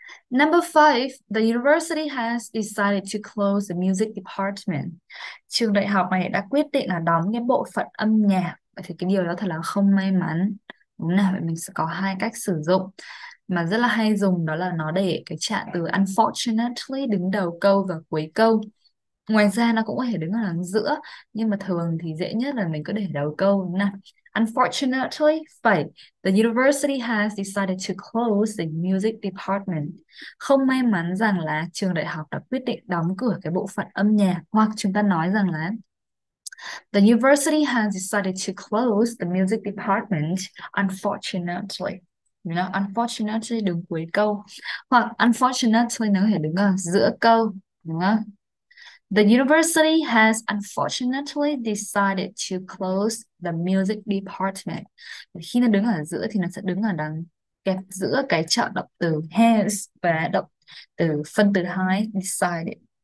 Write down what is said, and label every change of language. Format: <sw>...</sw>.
<en>Number five, the university has decided to close the music department.</en> <vi>Trường đại học này đã quyết định là đóng cái bộ phận âm nhạc. Vậy thì cái điều đó thật là không may mắn. Đúng nào, vậy mình sẽ có hai cách sử dụng mà rất là hay dùng, đó là nó để cái trạng từ unfortunately đứng đầu câu và cuối câu. Ngoài ra nó cũng có thể đứng ở đằng giữa, nhưng mà thường thì dễ nhất là mình cứ để đầu câu nào.</vi> <en>Unfortunately, phải, the university has decided to close the music department.</en> <vi>Không may mắn rằng là trường đại học đã quyết định đóng cửa cái bộ phận âm nhạc, hoặc chúng ta nói rằng là</vi> <en>the university has decided to close the music department, unfortunately.</en> <vi>Unfortunately đứng cuối câu, hoặc unfortunately nó có thể đứng ở giữa câu, đúng không?</vi> <en>The university has unfortunately decided to close the music department.</en> <vi>Khi nó đứng ở giữa thì nó sẽ đứng ở đằng kẹp giữa cái chọn động từ has và động từ phân từ hai decided.</vi>